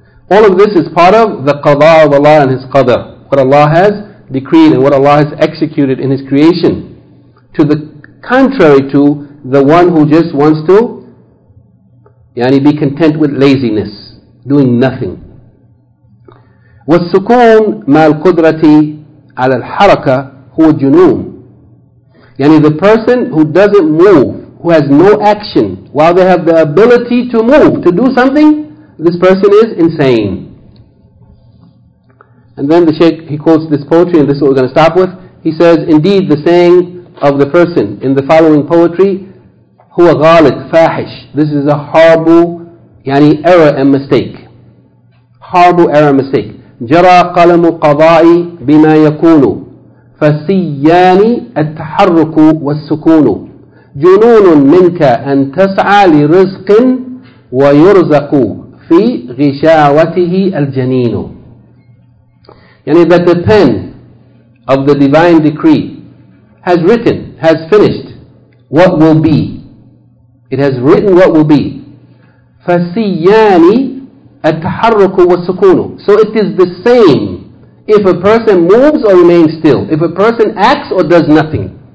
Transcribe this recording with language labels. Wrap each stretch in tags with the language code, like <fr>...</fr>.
<en>All of this is part of the qada of Allah and His qadr, what Allah has decreed and what Allah has executed in His creation, to the contrary to the one who just wants to yani be content with laziness, doing nothing.</en> <ar>والسكون مع القدرة على الحركة هو جنون.</ar> <en>Yani the person who doesn't move, who has no action, while they have the ability to move, to do something, this person is insane. And then the Shaykh, he quotes this poetry, and this is what we're going to stop with. He says, indeed the saying of the person in the following poetry,</en> <ar>هو غالط فاحش.</ar> <en>This is a horrible, yani error and mistake. Horrible error and mistake.</en> <ar>جرى قلم قضاء بما يكون فسيان التحرك والسكون جنون منك أن تسعى لرزق ويرزق في غشاوته الجنين.</ar> <en>يعني that the pen of the divine decree has written, has finished what will be. It has written what will be.</en> <ar>فسيان التحرك والسكون.</ar> <en>So it is the same if a person moves or remains still, if a person acts or does nothing.</en>